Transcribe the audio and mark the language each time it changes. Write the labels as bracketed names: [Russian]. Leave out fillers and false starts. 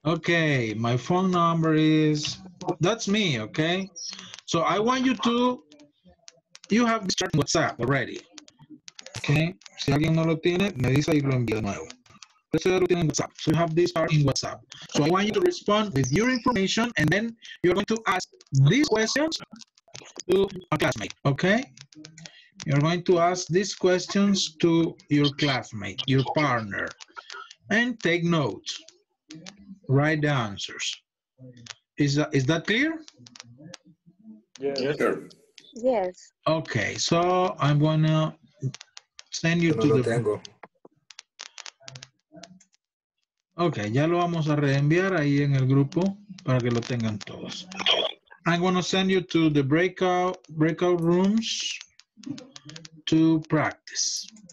[English] Okay, my phone number is, that's me, okay? So I want you to, you have this chat in WhatsApp already. [Spanish] Okay, si alguien no lo tiene, me dice y lo envío de nuevo. [English] So you have this part in WhatsApp. So I want you to respond with your information, and then you're going to ask these questions to a classmate, okay? You're going to ask these questions to your classmate, your partner, and take notes. Write the answers. Is that clear? Yes, sir. Yes. Okay, so I'm going to send you to the... [Spanish] Okay, ya lo vamos a reenviar ahí en el grupo para que lo tengan todos. [English] I'm going to send you to the breakout rooms to practice.